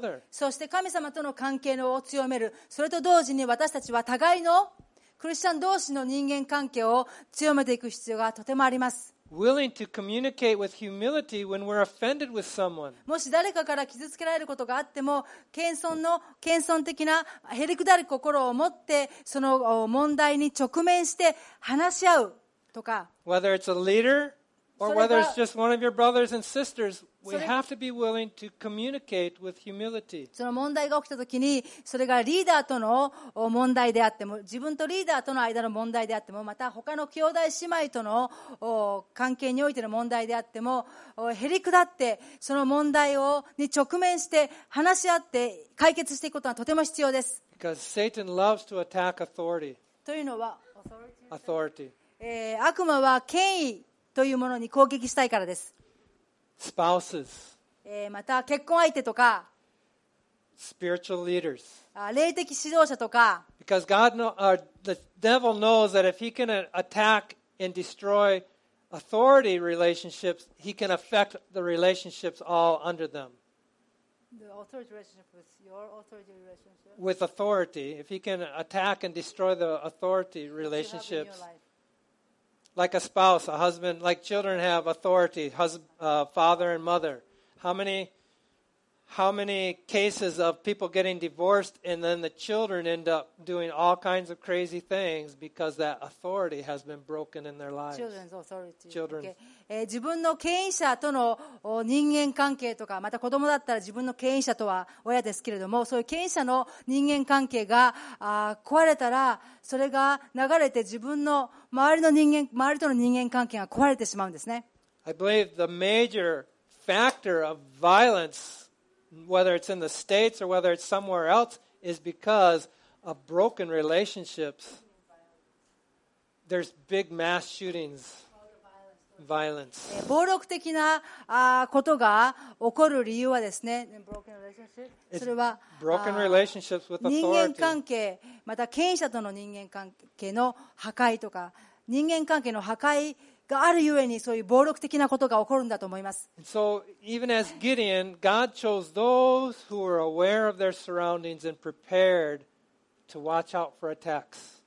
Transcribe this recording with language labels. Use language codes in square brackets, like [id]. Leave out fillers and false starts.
[ja] そして神様との関係を強める、それと同時に私たちは互いのクリスチャン同士の人間関係を強めていく必要がとてもあります。 [en] Willing to communicate with humility when we're offended with someone. [ja] もし誰かから傷つけられることがあっても、謙遜的なへりくだる心を持ってその問題に直面して話し合うとか。 [en] Whether it's a leader or whether it's just one of your brothers and sisters, we have to be willing to communicate with humility. [ja] その問題が起きたときに、それがリーダーとの問題であっても、自分とリーダーとの間の問題であっても、また他の兄弟姉妹との関係においての問題であっても、へりくだってその問題に直面して話し合って解決していくことはとても必要です。 [en] Because Satan loves to attack authority. [ja] というのは、 [en] authority. [ja] 悪魔は権威というものに攻撃したいからです。 [en] Spouses. [ja] また結婚相手とか。 [en] Spiritual leaders. [ja] 霊的指導者とか。 [en] Because God knows, or the devil knows that if he can attack and destroy authority relationships, he can affect the relationships all under them. The authority relationship with your authority relationship. With authority, if he can attack and destroy the authority relationships. Like a spouse, a husband, like children have authority, father and mother. How many cases of people getting divorced and then the children end up doing all kinds of crazy things because that authority has been broken in their lives? Children's authority. Children. [ja] 自分の権威者との人間関係とか、また子供だったら自分の権威者とは親ですけれども、そういう権威者の人間関係が壊れたら、それが流れて自分の周りとの人間関係が壊れてしまうんですね。 [en] I believe the major factor of violence, whether it's in the States or whether it's somewhere else, is because of broken relationships. There's big mass shootings. Violence. [ja] 暴力的なことが起こる理由はですね、それは [en] broken relationships with authority. [ja] 人間関係、また権威者との人間関係の破壊とか、人間関係の破壊があるゆえにそういう暴力的なことが起こるんだと思います。 [en] So even as Gideon, God chose those who were aware of their surroundings and prepared to watch out for attacks.